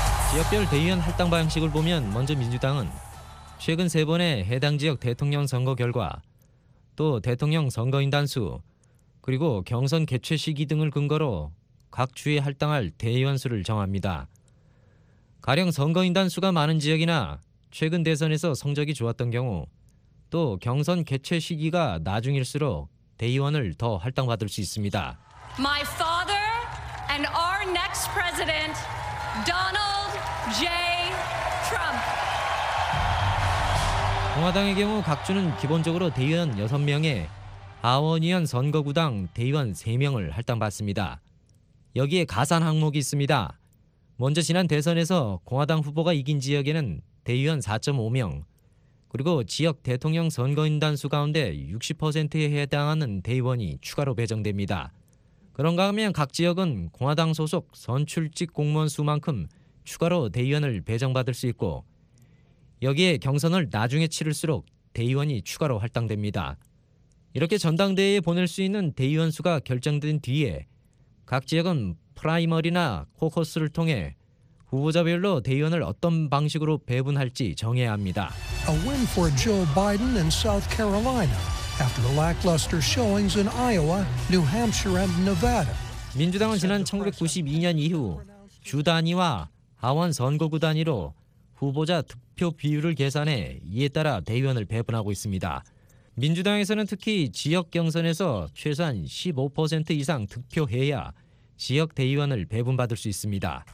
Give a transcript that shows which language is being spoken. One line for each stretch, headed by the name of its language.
Korean: 지역별 대의원 할당 방식을 보면 먼저 민주당은 최근 세 번의 해당 지역 대통령 선거 결과 또 대통령 선거인단 수 그리고 경선 개최 시기 등을 근거로 각 주에 할당할 대의원 수를 정합니다. 가령 선거인단 수가 많은 지역이나 최근 대선에서 성적이 좋았던 경우 또 경선 개최 시기가 나중일수록 대의원을 더 할당받을 수 있습니다.
English: My father and our next president, Donald J. Trump.
Korean: 공화당의 경우 각 주는 기본적으로 대의원 6명에 하원의원 선거구당 대의원 3명을 할당받습니다. 여기에 가산 항목이 있습니다. 먼저 지난 대선에서 공화당 후보가 이긴 지역에는 대의원 4.5명, 그리고 지역 대통령 선거인단 수 가운데 60%에 해당하는 대의원이 추가로 배정됩니다. 그런가 하면 각 지역은 공화당 소속 선출직 공무원 수만큼 추가로 대의원을 배정받을 수 있고, 여기에 경선을 나중에 치를수록 대의원이 추가로 할당됩니다. 이렇게 전당대회에 보낼 수 있는 대의원 수가 결정된 뒤에 각 지역은 프라이머리나 코커스를 통해 후보자별로 대의원을 어떤 방식으로 배분할지 정해야 합니다.
English: A win for Joe Biden in South Carolina after the lackluster showings in Iowa, New Hampshire and Nevada.
Korean: 민주당은 지난 1992년 이후 주 단위와 하원 선거구 단위로 후보자 득표 비율을 계산해 이에 따라 대의원을 배분하고 있습니다. 민주당에서는 특히 지역 경선에서 최소한 15% 이상 득표해야 지역 대의원을 배분받을 수 있습니다.